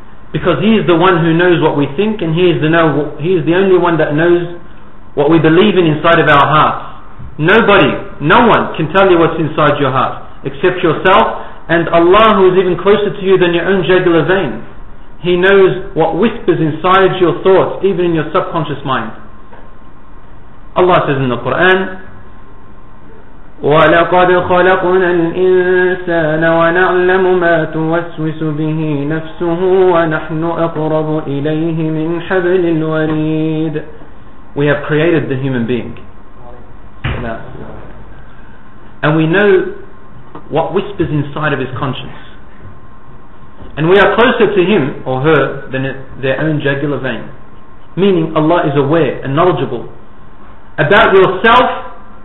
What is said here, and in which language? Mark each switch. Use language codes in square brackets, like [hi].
[en] Because he is the one who knows what we think, and he is the only one that knows what we believe in inside of our hearts. Nobody, no one can tell you what's inside your heart except yourself and Allah, who is even closer to you than your own jugular vein. He knows what whispers inside your thoughts, even in your subconscious mind. Allah says in the Quran, [ar] وَلَقَدْ خَلَقْنَا الْإِنسَانَ وَنَعْلَمُ مَا تُوَسْوِسُ بِهِ نَفْسُهُ وَنَحْنُ أَقْرَبُ إِلَيْهِ مِنْ حَبْلِ الْوَرِيدِ. [en] We have created the human being. And we know what whispers inside of his conscience. And we are closer to him or her than their own jugular vein. Meaning Allah is aware and knowledgeable about yourself.